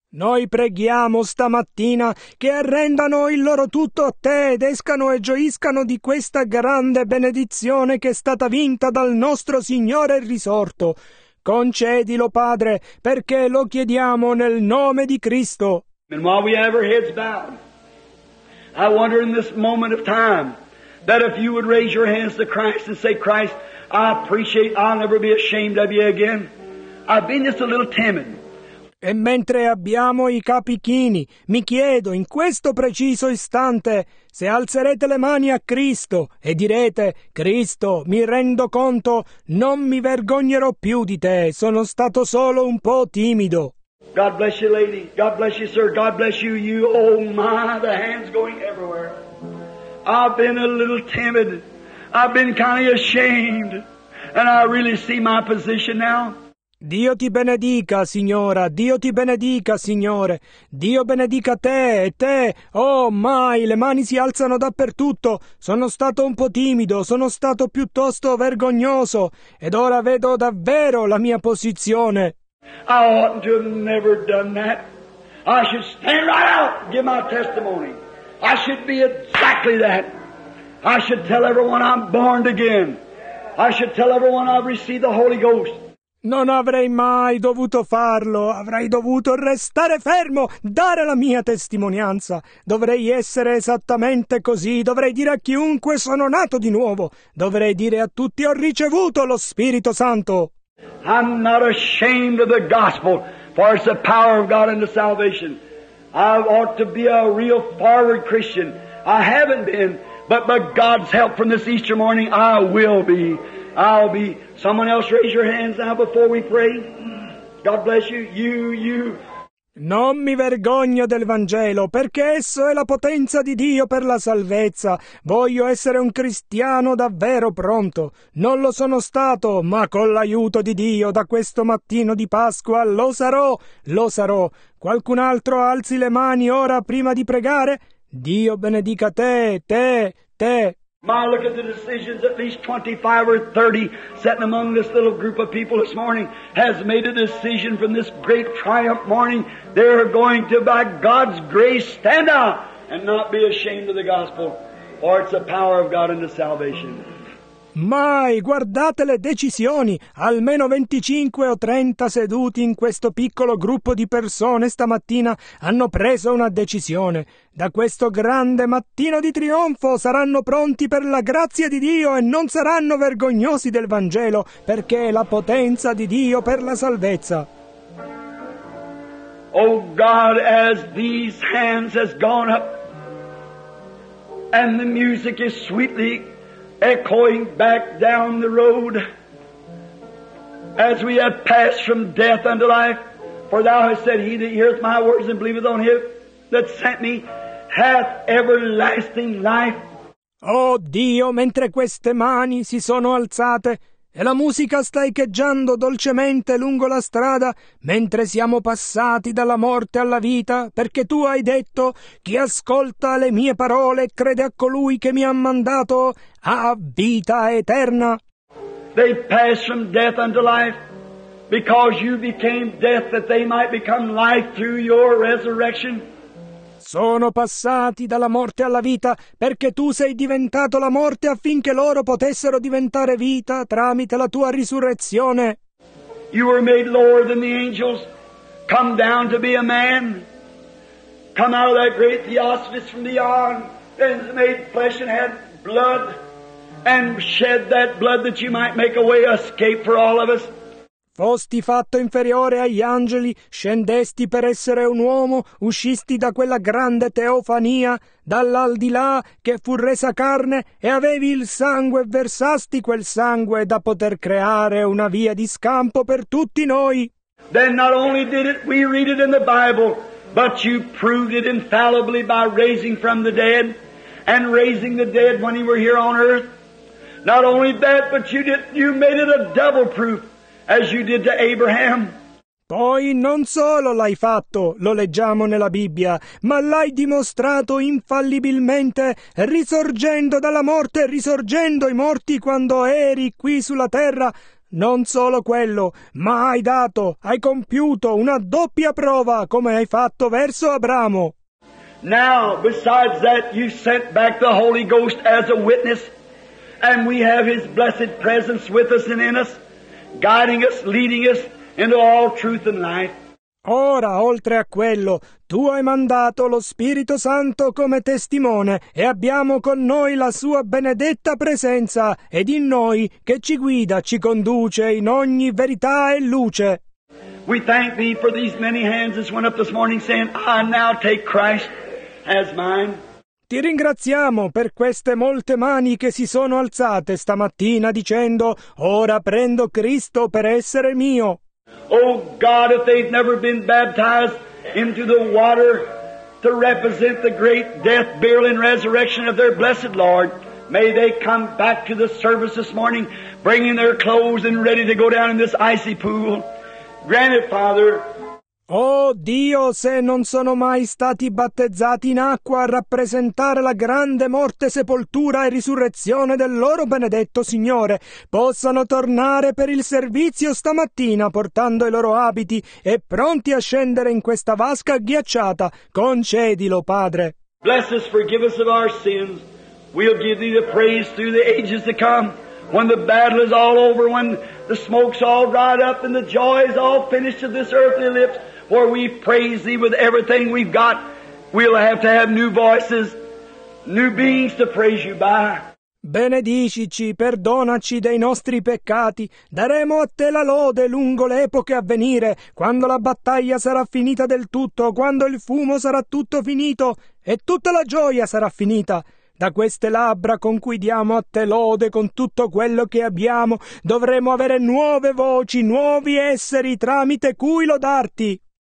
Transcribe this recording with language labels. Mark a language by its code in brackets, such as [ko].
[it] Noi preghiamo stamattina che arrendano il loro tutto a Te ed escano e gioiscano di questa grande benedizione che è stata vinta dal nostro Signore risorto. Concedilo, Padre, perché lo chiediamo nel nome di Cristo. [en] And while we have our heads bowed, I wonder in this moment of time that if you would raise your hands to Christ and say, Christ, I appreciate, I'll never be ashamed of you again. I've been just a little timid. [it] E mentre abbiamo i capi chini, mi chiedo in questo preciso istante se alzerete le mani a Cristo e direte, Cristo, mi rendo conto, non mi vergognerò più di te, sono stato solo un po' timido. [en] God bless you, lady. God bless you, sir. God bless you, you. Oh, my, the hand's going everywhere. I've been a little timid. I've been kind of ashamed. And I really see my position now. [it] Dio ti benedica, signora. Dio ti benedica, signore. Dio benedica te e te. Oh, mai, le mani si alzano dappertutto. Sono stato un po' timido, sono stato piuttosto vergognoso. Ed ora vedo davvero la mia posizione. [en] I oughtn't to have never done that. I should stand right out and give my testimony. I should be exactly that. I should tell everyone I'm born again. I should tell everyone I've received the Holy Ghost. [it] Non avrei mai dovuto farlo, avrei dovuto restare fermo, dare la mia testimonianza. Dovrei essere esattamente così, dovrei dire a chiunque sono nato di nuovo, dovrei dire a tutti ho ricevuto lo Spirito Santo. [en] I'm not ashamed of the gospel, for it's the power of God unto salvation. I ought to be a real forward Christian. I haven't been, but by God's help from this Easter morning, I will be. I'll be. Someone else raise your hands now before we pray. God bless you. You. [it] Non mi vergogno del Vangelo, perché esso è la potenza di Dio per la salvezza. Voglio essere un cristiano davvero pronto. Non lo sono stato, ma con l'aiuto di Dio, da questo mattino di Pasqua, lo sarò. Qualcun altro alzi le mani ora prima di pregare? Dio benedica te. [en] Ma look at the decisions, at least 25 or 30 sitting among this little group of people this morning has made a decision from this great triumph morning. They're going to, by God's grace, stand up and not be ashamed of the gospel, for it's the power of God unto salvation. [it] Mai, guardate le decisioni, almeno 25 o 30 seduti in questo piccolo gruppo di persone stamattina hanno preso una decisione. Da questo grande mattino di trionfo saranno pronti per la grazia di Dio e non saranno vergognosi del Vangelo, perché è la potenza di Dio per la salvezza. [en] Oh God, as these hands has gone up and the music is sweetly echoing back down the road, as we have passed from death unto life, for thou hast said, he that heareth my words and believeth on him that sent me hath everlasting life. [it] Oh Dio, mentre queste mani si sono alzate e la musica sta echeggiando dolcemente lungo la strada, mentre siamo passati dalla morte alla vita, perché tu hai detto, chi ascolta le mie parole e crede a colui che mi ha mandato, ha vita eterna. [en] They passed from death unto life, because you became death that they might become life through your resurrection. [it] Sono passati dalla morte alla vita, perché tu sei diventato la morte affinché loro potessero diventare vita tramite la tua risurrezione. [en] You were made lower than the angels, come down to be a man, come out of that great theosophist from beyond, and made flesh and had blood, and shed that blood that you might make a way of escape for all of us. [it] Fosti fatto inferiore agli angeli, scendesti per essere un uomo, uscisti da quella grande teofania, dall'aldilà che fu resa carne, e avevi il sangue e versasti quel sangue da poter creare una via di scampo per tutti noi. [en] Then not only did it, we read it in the Bible, but you proved it infallibly by raising from the dead, and raising the dead when you were here on earth. Not only that, but you made it a double proof. As you did to Abraham. [it] Poi non solo l'hai fatto, lo leggiamo nella Bibbia, ma l'hai dimostrato infallibilmente, risorgendo dalla morte, risorgendo i morti quando eri qui sulla terra. Non solo quello, ma hai compiuto una doppia prova, come hai fatto verso Abramo. [en] Now, besides that, you sent back the Holy Ghost as a witness, and we have His blessed presence with us and in us, guiding us, leading us into all truth and life. [it] Ora, oltre a quello, tu hai mandato lo Spirito Santo come testimone e abbiamo con noi la sua benedetta presenza ed in noi che ci guida, ci conduce in ogni verità e luce. [en] We thank thee for these many hands that went up this morning saying, I now take Christ as mine. [it] Ti ringraziamo per queste molte mani che si sono alzate stamattina dicendo, ora prendo Cristo per essere mio. [en] Oh God, if they've never been baptized into the water to represent the great death, burial, and resurrection of their blessed Lord, may they come back to the service this morning, bringing their clothes and ready to go down in this icy pool. Grant it, Father. [it] Oh Dio, se non sono mai stati battezzati in acqua a rappresentare la grande morte, sepoltura e risurrezione del loro benedetto Signore, possano tornare per il servizio stamattina portando i loro abiti e pronti a scendere in questa vasca ghiacciata. Concedilo, Padre. [en] Bless us, forgive us of our sins. We'll give thee the praise through the ages to come. when the battle is all over, when the smoke's all dried up and the joy is all finished of this earthly lips, where we praise Thee with everything we've got, we'll have to have new voices, new beings to praise You by. [it] Benedicici, perdonaci dei nostri peccati, daremo a Te la lode lungo le epoche a venire, quando la battaglia sarà finita del tutto, quando il fumo sarà tutto finito e tutta la gioia sarà finita. Da queste labbra con cui diamo a Te lode con tutto quello che abbiamo, dovremo avere nuove voci, nuovi esseri tramite cui lodarti.